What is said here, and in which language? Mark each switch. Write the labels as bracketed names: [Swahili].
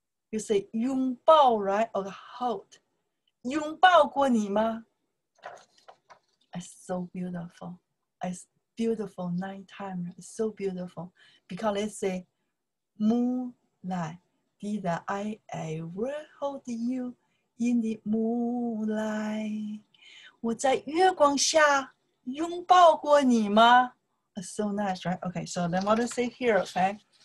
[English] You say 拥抱, right? Or hold. [Chinese] 拥抱过你吗? [English] It's so beautiful. It's beautiful nighttime. It's so beautiful. Because let's say moonlight. Did I ever hold you in the moonlight? [Chinese] 我在月光下拥抱过你吗? [English] So nice, right? Okay, so then what to say here, okay?